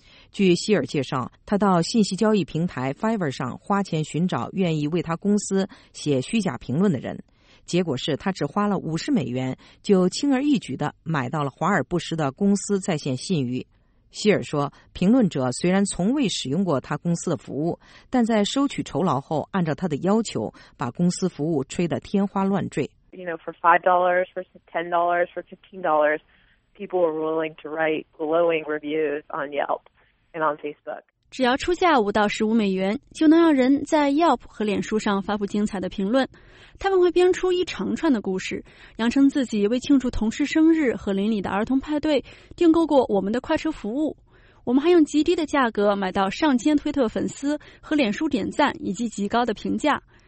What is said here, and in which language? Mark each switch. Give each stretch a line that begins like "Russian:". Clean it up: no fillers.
Chinese: 据希尔介绍，他到信息交易平台 Fiverr 上花钱寻找愿意为他公司写虚假评论的人，结果是他只花了$50就轻而易举地买到了华而不实的公司在线信誉。希尔说，评论者虽然从未使用过他公司的服务，但在收取酬劳后按照他的要求把公司服务吹得天花乱坠。
English: You know, for $5, for $10, for $15, people were willing to write glowing reviews on Yelp and on Facebook.
Chinese: 只要出价$5到$15，就能让人在 Yelp 和脸书上发布精彩的评论。他们会编出一长串的故事，扬称自己为庆祝同事生日和邻里的儿童派对订购过我们的快车服务。我们还用极低的价格买到上千推特粉丝和脸书点赞以及极高的评价。